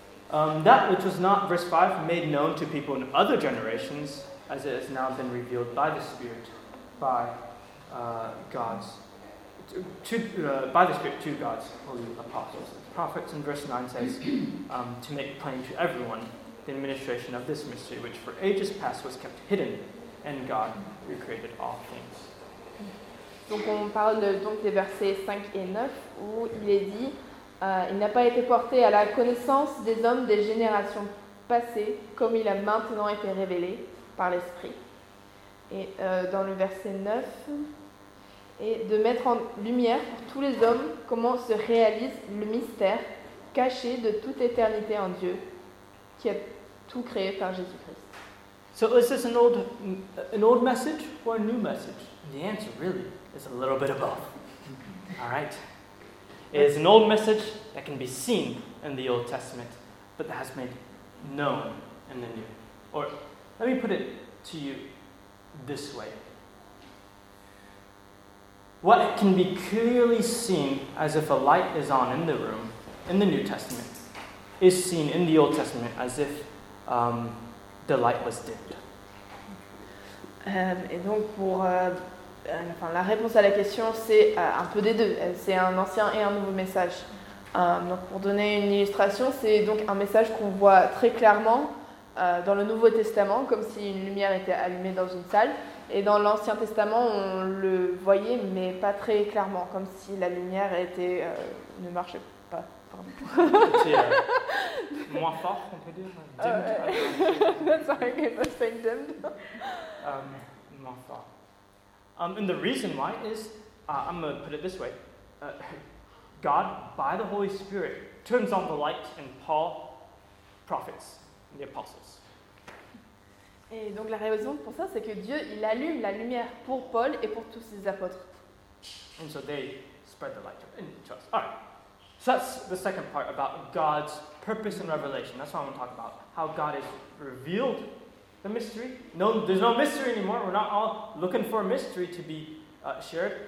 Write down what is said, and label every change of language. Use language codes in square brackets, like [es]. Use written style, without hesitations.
[en] That which was not, verse 5, made known to people in other generations, as it has now been revealed by the Spirit, by the Spirit to God's holy apostles and prophets. And verse 9 says, to make plain to everyone the administration of this mystery, which for ages past was kept hidden, and God who created all things. [fr] Donc on parle donc des versets 5 et 9, où il est dit, il n'a pas été porté à la connaissance des hommes des générations passées, comme il a maintenant été révélé par l'Esprit. Et dans le verset 9, et de mettre en lumière pour tous les hommes comment se réalise le mystère caché de toute éternité en Dieu, qui a tout créé par Jésus-Christ. [en] So is this an old message or a new message? The answer really is a little bit of both. All right. It is an old message that can be seen in the Old Testament, but that has made known in the New. Or let me put it to you this way. What can be clearly seen as if a light is on in the room in the New Testament is seen in the Old Testament as if the light was dimmed. [fr] Et donc pour enfin la réponse à la question c'est un peu des deux, c'est un ancien et un nouveau message. Donc pour donner une illustration, c'est donc un message qu'on voit très clairement dans le Nouveau Testament comme si une lumière était allumée dans une salle, et dans l'Ancien Testament on le voyait mais pas très clairement, comme si la lumière était ne marchait pas. moins fort, on peut dire. Moins fort. [en] And the reason why is, I'm going to put it this way. God, by the Holy Spirit, turns on the light in Paul, prophets, and the apostles. [fr] Et donc la raison pour ça, c'est que Dieu, il allume la lumière pour Paul et pour tous ses apôtres. [en] And so they spread the light in each other. All right. So that's the second part about God's purpose in revelation. That's what I want to talk about. How God has revealed the mystery. No, there's no mystery anymore. We're not all looking for a mystery to be shared.